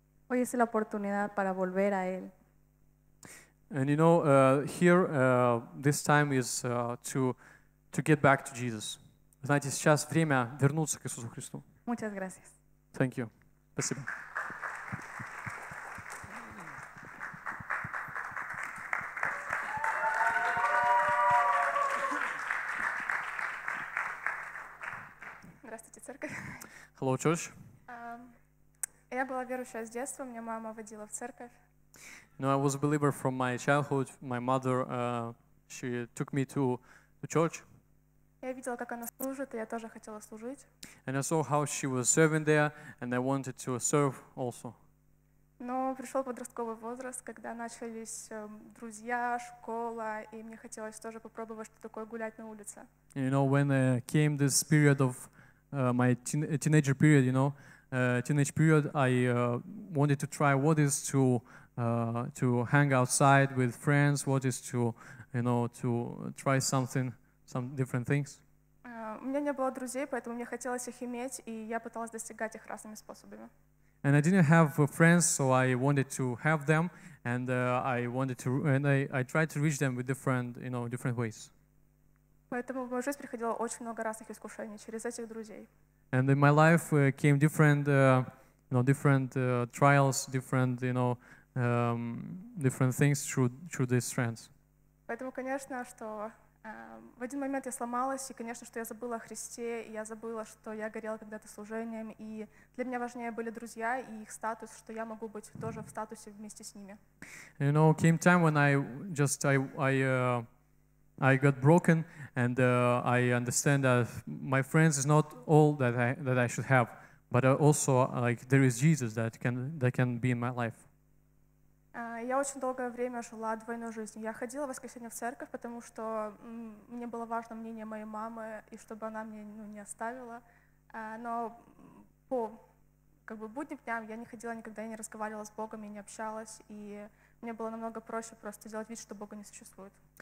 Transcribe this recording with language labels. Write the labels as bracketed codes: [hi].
[es] Hoy es la oportunidad para volver a Él. [en] And you know, here this time is to get back to Jesus. [ru] Знаете, сейчас время вернуться к Иисусу Христу. [es] Muchas gracias. [en] Thank you. [ru] Спасибо. Здравствуйте, церковь. [en] Hello, church. [ru] Я была верующая с детства, меня мама водила в церковь. [en] No, I was a believer from my childhood. My mother, she took me to the church. [ru] Я видела, как она служит, и я тоже хотела служить. [en] And I saw how she was serving there, and I wanted to serve also. [ru] Но пришел подростковый возраст, когда начались друзья, школа, и мне хотелось тоже попробовать, что такое гулять на улице. [en] You know, when came this period of my teenager period, you know, teenage period, I wanted to try what is to hang outside with friends, what is to, you know, to try something, some different things. [ru] У меня не было друзей, поэтому мне хотелось их иметь, и я пыталась достигать их разными способами. [en] And I didn't have friends, so I wanted to have them, and I tried to reach them with different, you know, different ways. [ru] Поэтому в мою жизнь приходило очень много разных искушений через этих друзей. [en] And in my life came different, you know, different trials, different, you know, different things through these friends. [ru] Поэтому, конечно, что в один момент я сломалась, и, конечно, что я забыла о Христе, и я забыла, что я горела когда-то служением, и для меня важнее были друзья и их статус, что я могу быть тоже в статусе вместе с ними. [en] You know, came time when I got broken, and I understand that my friends is not all that I should have, but also like there is Jesus that can be in my life. [ru] Я очень долгое время жила двойной жизнью. Я ходила в воскресенье в церковь, потому что мне было важно мнение моей мамы, и чтобы она меня, ну, не оставила. Но по как бы будним дням я не ходила никогда, я не разговаривала с Богом, я не общалась, и мне было намного проще просто делать вид, что Бога не существует.